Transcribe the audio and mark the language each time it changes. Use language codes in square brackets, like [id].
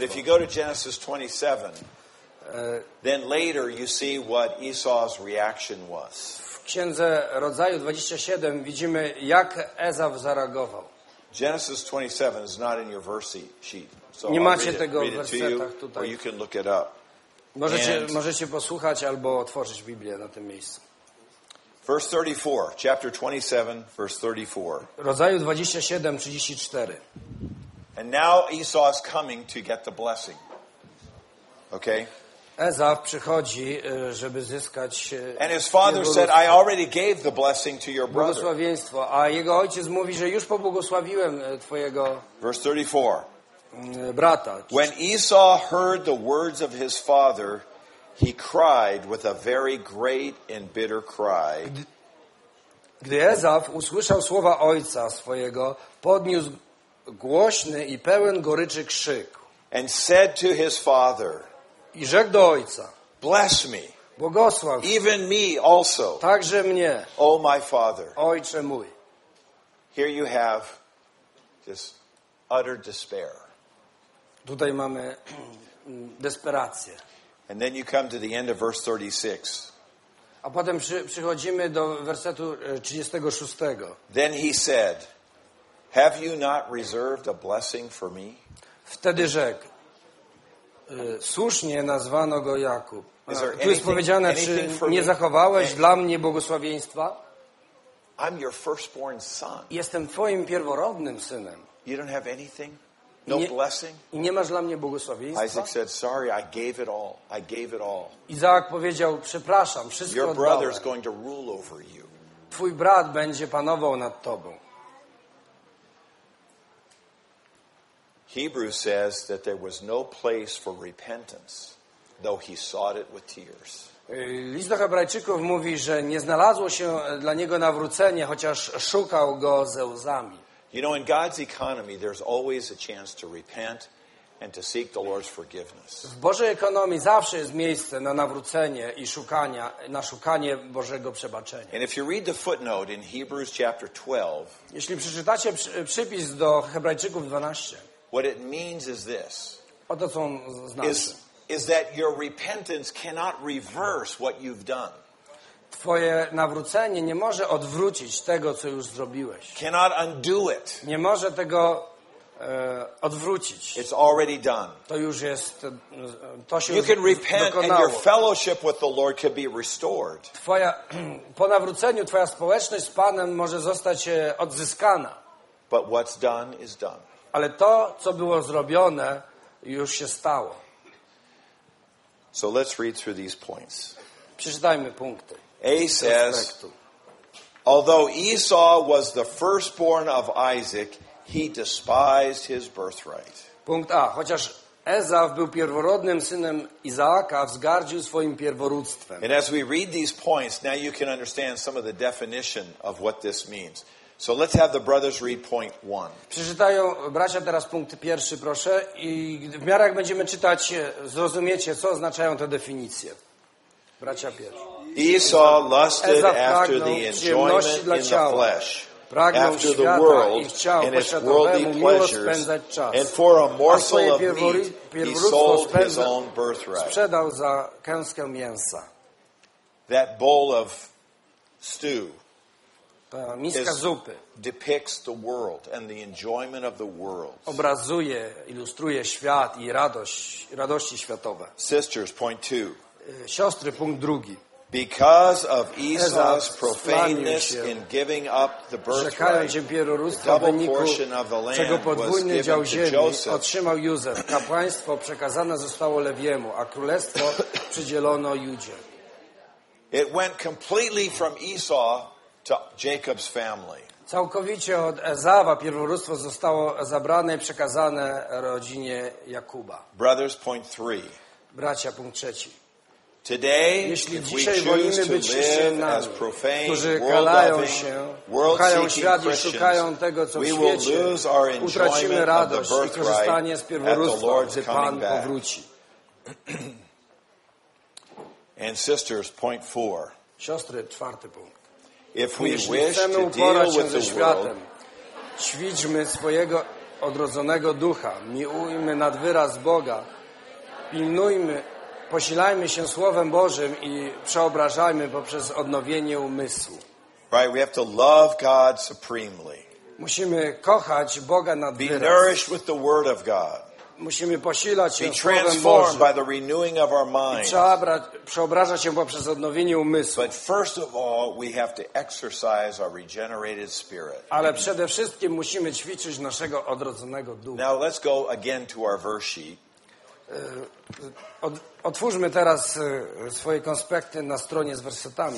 [en] But if you go to Genesis 27, then later you see what Esau's reaction was. [pl] W Księdze Rodzaju 27 widzimy, jak Ezaw zareagował. [en] Genesis 27 is not in your verse sheet. So [pl] nie macie tego w wersetach tutaj. [en] Or you can look it up. [pl] Możecie posłuchać albo otworzyć Biblię na tym miejscu. [en] Verse 34, chapter 27, verse 34. [pl] Rodzaju 27, 34. [en] And now Esau is coming to get the blessing. Okay? [pl] Ezaw przychodzi, żeby zyskać. [en] And his father said, I already gave the blessing to your brother. [pl] Błogosławieństwo. A jego ojciec mówi, że już pobłogosławiłem twojego. [en] Verse 34. [pl] Brata. [en] When Esau heard the words of his father, he cried with a very great and bitter cry. [pl] Gdy Ezaw usłyszał słowa ojca swojego, podniósł głośny i pełen goryczy krzyk. [en] And said to his father, [pl] i rzekł do ojca, [en] bless me, [pl] błogosław, [en] even me also, [pl] także mnie, [en] o my father, [pl] ojcze mój. [en] Here you have this utter despair. [pl] Tutaj mamy desperację. [en] And then you come to the end of verse 36. [pl] A potem przychodzimy do wersetu 36. [en] Then he said, have you not reserved a blessing for me? [pl] Wtedy rzekł, słusznie nazwano go Jakub. Tu jest powiedziane, czy nie zachowałeś dla mnie błogosławieństwa? [en] I'm your firstborn son. [pl] Jestem twoim pierworodnym synem. [en] You don't have anything? No blessing? [pl] I nie masz dla mnie błogosławieństwa? [en] Isaac said, sorry, I gave it all. I gave it all. [pl] Izaak powiedział, przepraszam, wszystko oddałem. [en] Your brother is going to rule over you. [pl] Twój brat będzie panował nad tobą. [en] Hebrew says that there was no place for repentance, though he sought it with tears. [pl] List do Hebrajczyków mówi, że nie znalazło się dla niego nawrócenie, chociaż szukał go ze łzami. [en] You know, in God's economy, there's always a chance to repent and to seek the Lord's forgiveness. [pl] W Bożej ekonomii zawsze jest miejsce na nawrócenie i szukanie Bożego przebaczenia. [en] And if you read the footnote in Hebrews chapter 12, [pl] jeśli przeczytacie przypis do Hebrajczyków 12, [en] what it means is this. [pl] Oto co on znaczy. [en] Is that your repentance cannot reverse what you've done. [pl] Twoje nawrócenie nie może odwrócić tego, co już zrobiłeś. [en] Cannot undo it. [pl] Nie może tego odwrócić. [en] It's already done. [pl] To już jest, to się [en] you [pl] już [en] can repent [pl] dokonało. [en] And your fellowship with the Lord can be restored. [pl] Twoja, po nawróceniu twoja społeczność z Panem może zostać odzyskana. [en] But what's done is done. [pl] Ale to, co było zrobione, już się stało. [en] So let's read through these points. [pl] Przeczytajmy punkty. [en] A says, although Esau was the firstborn of Isaac, he despised his birthright. [pl] Punkt A. Chociaż Ezaw był pierworodnym synem Izaaka, wzgardził swoim pierworództwem. [en] And as we read these points, now you can understand some of the definition of what this means. So let's have the brothers read point one. [pl] Przeczytają bracia teraz punkt pierwszy, proszę. I w miarę jak będziemy czytać, zrozumiecie, co oznaczają te definicje. Bracia pierwsi. [en] Esau lusted after the enjoyment in the flesh, after the world and its worldly pleasures, and for a morsel of meat he sold his own birthright. [pl] Sprzedał za kęskę mięsa. [en] That bowl of stew. [pl] Miska zupy [en] depicts the world and the enjoyment of the world. [pl] Obrazuje, ilustruje świat i radości światowe. [en] Sisters, point two. [pl] Siostry, punkt drugi. [en] Because of Esau's profaneness in giving up the birthright, the double portion of the land was given to Joseph. [pl] Otrzymał Józef. Kapłaństwo przekazane zostało Lewiemu, a królestwo przydzielono Judzie. [en] It went completely from Esau to Jacob's family. [pl] Całkowicie od Ezawa pierworództwo zostało zabrane i przekazane rodzinie Jakuba. [en] Brothers, point three. [pl] Bracia, punkt trzeci. [en] Today, [pl] jeśli [en] if [pl] dzisiaj [en] we choose [pl] wolimy być chrześcijanami, którzy kalają się, kochają świat i szukają tego, co w świecie, utracimy radość i korzystanie z pierworództwa, gdy Pan powróci. [en] And sisters, point four. [pl] Siostry, czwarty punkt. [en] If we [pl] jeśli chcemy uporać się ze światem, ćwiczmy swojego odrodzonego ducha, miłujmy nad wyraz Boga, pilnujmy, posilajmy się Słowem Bożym i przeobrażajmy poprzez odnowienie umysłu. [en] Right, we have to love God supremely. [pl] Musimy kochać Boga nad wyraz. [en] Be nourished with the word of God. [pl] Musimy posilać się [en] Be transformed by the renewing of our mind. [pl] Przeobrażać się poprzez odnowienie umysłu. [en] But first of all, we have to exercise our regenerated spirit. [pl] Ale przede wszystkim musimy ćwiczyć naszego odrodzonego ducha. [en] Now let's go again to our verse sheet. [pl] Otwórzmy teraz swoje konspekty na stronie z wersetami.